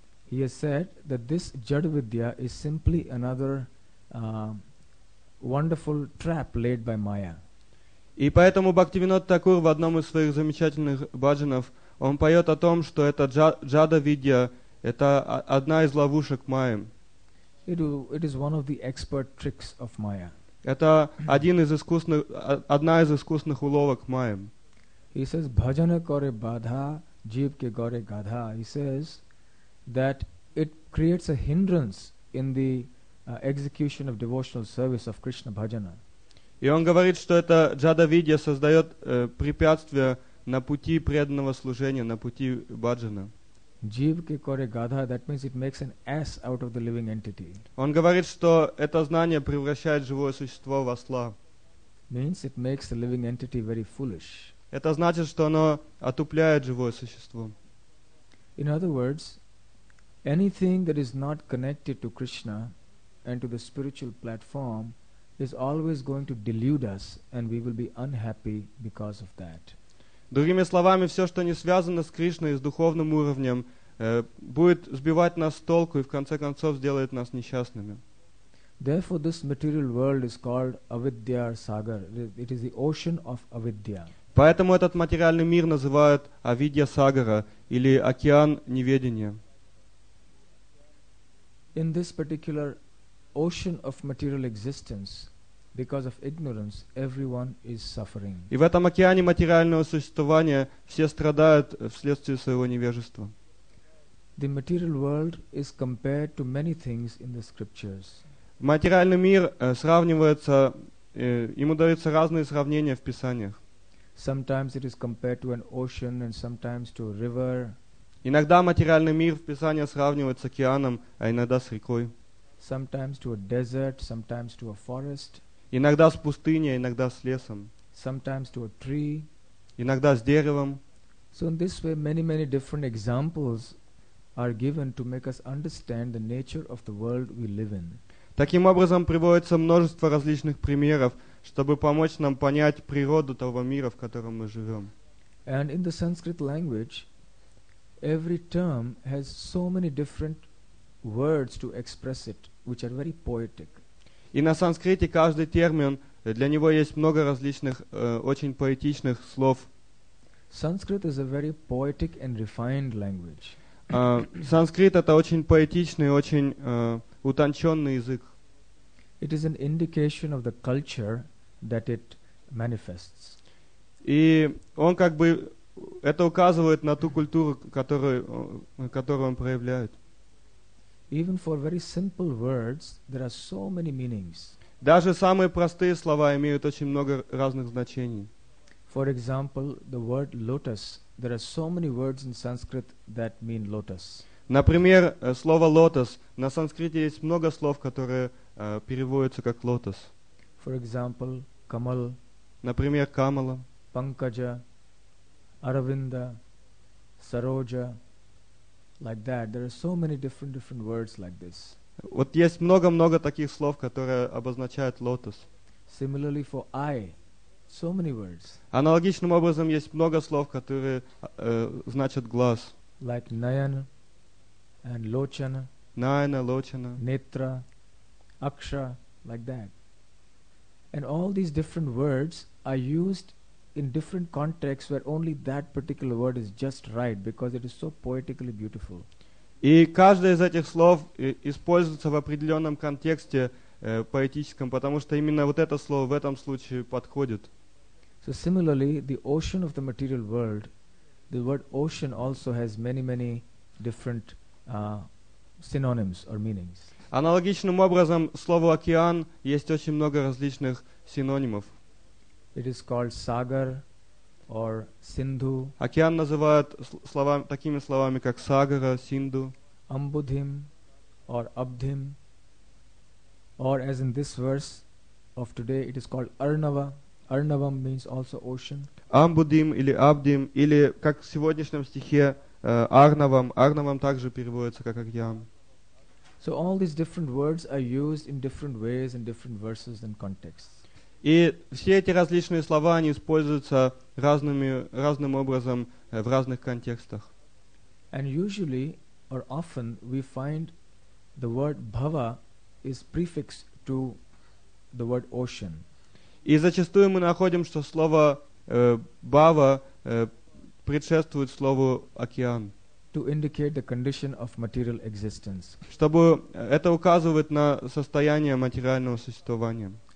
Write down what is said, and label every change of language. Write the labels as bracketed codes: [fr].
[en] He has said that this jadavidya is simply another wonderful trap laid by Maya. [ru] И поэтому Бхактивинод Такур в одном из своих замечательных бхаджанов, он поет о том, что это джада-видья, это одна из ловушек Майи. [en] It is one of the expert tricks of Maya. [ru] Это одна из искусных уловок Майи. [en] He says, [bn] bhajana kore badha, jeev ke gore gadha. [en] He says that it creates a hindrance in the execution of devotional service of Krishna bhajana. [ru] И он говорит, что это джада-видья создает препятствие на пути преданного служения, на пути бхаджана. [bn] Jeev ke kore gadha, [en] that means it makes an ass out of the living entity. [ru] Он говорит, что это знание превращает живое существо в осла. [en] Means it makes the living entity very foolish. [ru] Это значит, что оно отупляет живое существо. [en] In other words, anything that is not connected to Krishna and to the spiritual platform is always going to delude us, and we will be unhappy because of that. [ru] Другими словами, все, что не связано с Кришной и с духовным уровнем, будет сбивать нас с толку и в конце концов сделает нас несчастными. [en] Therefore, this material world is called Avidya Sagar. It is the ocean of Avidya. [ru] Поэтому этот материальный мир называют Авидья Сагара или океан неведения. [en] In this particular ocean of material existence, because of ignorance, everyone is suffering. [ru] И в этом океане материального существования все страдают вследствие своего невежества. [en] The material world is compared to many things in the scriptures. [ru] Материальный мир сравнивается, ему даются разные сравнения в писаниях. [en] Sometimes it is compared to an ocean and sometimes to a river. [ru] Иногда материальный мир в писании сравнивается с океаном, а иногда с рекой. [en] Sometimes to a desert, sometimes to a forest. [ru] Иногда с пустыней, иногда с лесом. [en] Sometimes to a tree. [ru] Иногда с деревом. [en] So in this way, many, many different examples are given to make us understand the nature of the world we live in. [ru] Таким образом приводится множество различных примеров, чтобы помочь нам понять природу того мира, в котором мы живем. [en] And in the Sanskrit language, every term has so many different words to express it, which are very poetic. [ru] И на санскрите каждый термин, для него есть много различных очень поэтичных слов. [en] Sanskrit is a very poetic and refined language. [ru] Санскрит это очень поэтичный, очень утонченный язык. [en] It is an indication of the culture that it manifests. [ru] И он как бы это указывает на ту культуру, которую он проявляет. [en] Even for very simple words, there are so many meanings. [ru] Даже самые простые слова имеют очень много разных значений. [en] For example, the word lotus. There are so many words in Sanskrit that mean lotus. [ru] Например, слово лотос. На санскрите есть много слов, которые переводятся как лотос. [en] For example, камал. [ru] Например, камала. [en] Панкаджа, Аравинда, Сароджа. Like that. There are so many different words like this. [ru] Вот есть много-много таких слов, которые обозначают лотос. [en] Similarly for eye. So many words. [ru] Аналогичным образом есть много слов, которые значат глаз. [en] Like nayan and lochana. Nayana, lochana. Netra, aksha, like that. And all these different words are used in different contexts where only that particular word is just right because it is so poetically beautiful. [ru] И каждое из этих слов используется в определенном контексте поэтическом, потому что именно вот это слово в этом случае подходит. [en] So similarly, the ocean of the material world, the word ocean also has many, many different synonyms or meanings. [ru] Аналогичным образом, слово океан есть очень много различных синонимов. [en] It is called sagar or sindhu. [ru] Океан называют такими словами, как сагара, синду. [en] Ambudhim or abdhim. Or as in this verse of today, it is called arnava. Arnavam means also ocean. [ru] Амбудим или абдим, или как в сегодняшнем стихе арнавам. Арнавам также переводится как океан. [en] So all these different words are used in different ways in different verses and contexts. [ru] И все эти различные слова, они используются разным образом в разных контекстах. [en] And usually or often we find the word bhava is prefixed to the word ocean. [ru] И зачастую мы находим, что слово «бава» предшествует слову «океан». [en] To indicate the condition of material existence. [ru] Чтобы это указывает на состояние материального существования.